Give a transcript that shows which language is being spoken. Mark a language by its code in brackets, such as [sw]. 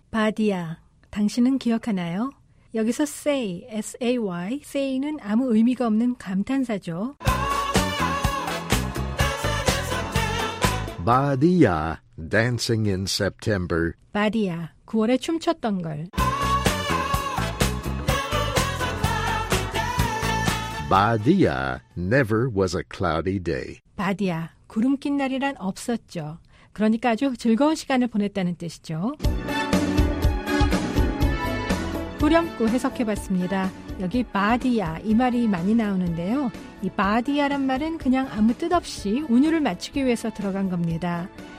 [ko] 바디야, 당신은 기억하나요? 여기서 [en] say, S-A-Y, say [ko] 는 아무 의미가 없는 감탄사죠. [en] 바디야, dancing in September. [ko] 바디야, 9월에 춤췄던 걸. [en] 바디야, never was a cloudy day. [ko] 바디야, 구름 낀 날이란 없었죠. 그러니까 아주 즐거운 시간을 보냈다는 뜻이죠. 후렴구 해석해봤습니다. 여기 바디야 이 말이 많이 나오는데요. 이 바디야란 말은 그냥 아무 뜻 없이 운율을 맞추기 위해서 들어간 겁니다.